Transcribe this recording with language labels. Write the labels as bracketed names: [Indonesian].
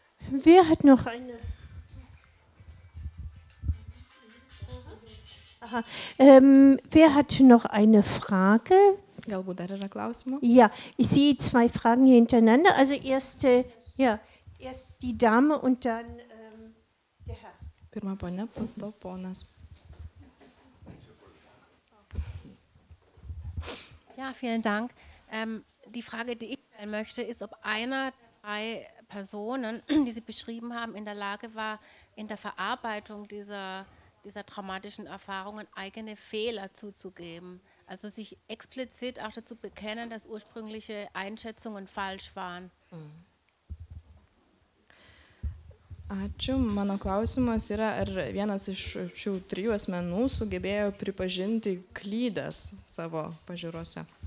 [German] Wer hat noch eine? Wer hat noch eine Frage? [Lithuanian] Galbūt dar yra klausimų? [German] Ja, ich sehe zwei Fragen hier hintereinander. Also erst die Dame und dann der Herr. [Lithuanian] Pirma ponia, po to ponas. [German] Ja, vielen Dank. Die Frage, die ich stellen möchte, ist, ob einer der drei Personen, die Sie beschrieben haben, in der Lage war, in der Verarbeitung dieser traumatischen Erfahrungen eigene Fehler zuzugeben. Also sich explizit auch dazu bekennen, dass ursprüngliche Einschätzungen falsch waren. [Lithuanian] Ačiū. Mano klausimas yra, ar vienas iš šių trijų asmenų sugebėjo pripažinti klydas savo pažiūrose?